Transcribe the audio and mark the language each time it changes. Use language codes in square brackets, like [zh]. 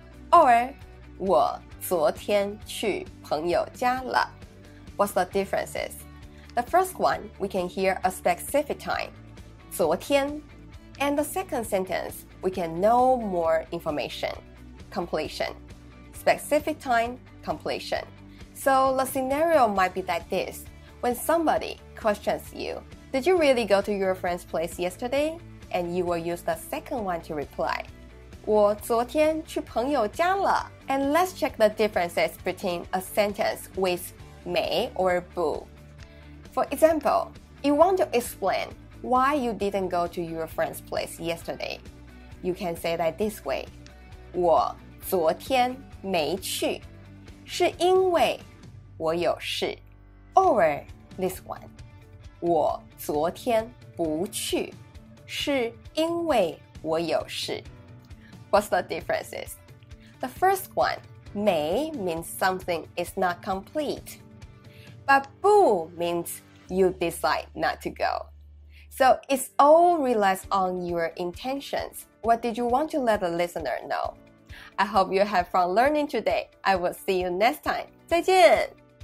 [zh] or 我昨天去朋友家了。 [en] What's the differences? The first one, we can hear a specific time, 昨天. And the second sentence, we can know more information, completion. Specific time, completion. So the scenario might be like this. When somebody questions you, did you really go to your friend's place yesterday? And you will use the second one to reply. [zh] 我昨天去朋友家了. [en] And let's check the differences between a sentence with 没 or 不. For example, you want to explain why you didn't go to your friend's place yesterday. You can say that this way. [zh] 我昨天没去是因为我有事。 [en] Or this one. [zh] 我昨天不去是因为我有事。 [en] What's the differences? The first one, 没 means something is not complete. But 不 means you decide not to go. So it's all relies on your intentions. What did you want to let the listener know? I hope you have fun learning today. I will see you next time. 再见!